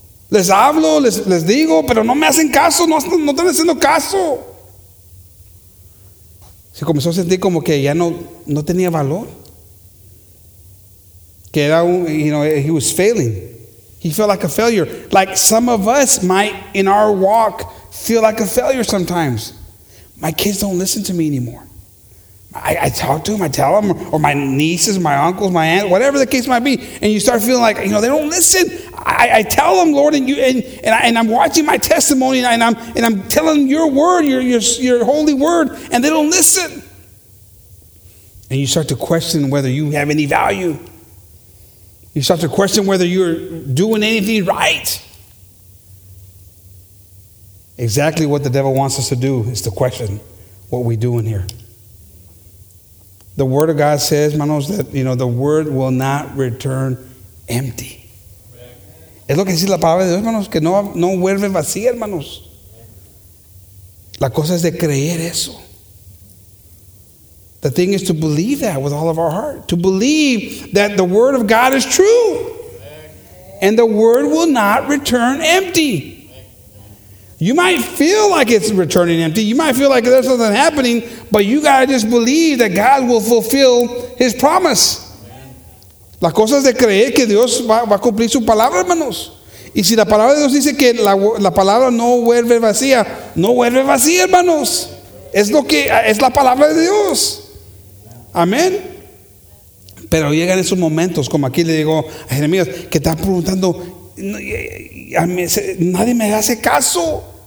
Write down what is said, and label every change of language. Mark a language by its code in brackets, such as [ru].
[es] Les hablo, les digo, pero no me hacen caso, no están haciendo caso. Se comenzó a sentir como que ya no tenía valor. Que era un, [en] you know, he was failing. He felt like a failure. Like some of us might, in our walk, feel like a failure sometimes. My kids don't listen to me anymore. I talk to them, I tell them, or my nieces, my uncles, my aunt, whatever the case might be, and you start feeling like, you know, they don't listen. I tell them, Lord, and I'm watching my testimony, and I'm telling your word, your holy word, and they don't listen. And you start to question whether you have any value. You start to question whether you're doing anything right. Exactly what the devil wants us to do is to question what we're doing here. The word of God says, hermanos, that, you know, the word will not return empty. [es] Es lo que dice la palabra de Dios, hermanos, que no vuelve vacía, hermanos. La cosa es de creer eso. The thing is to believe that with all of our heart, to believe that the word of God is true. And the word will not return empty. You might feel like it's returning empty. You might feel like there's something happening, but you got to just believe that God will fulfill his promise. Las cosas de creer que Dios va a cumplir su palabra, hermanos. Y si la palabra de Dios dice que la palabra no vuelve vacía, no vuelve vacía, hermanos. Es lo que es la palabra de Dios. Amén. Pero llegan esos momentos, como aquí le digo a Jeremías, que está preguntando, nadie me hace caso.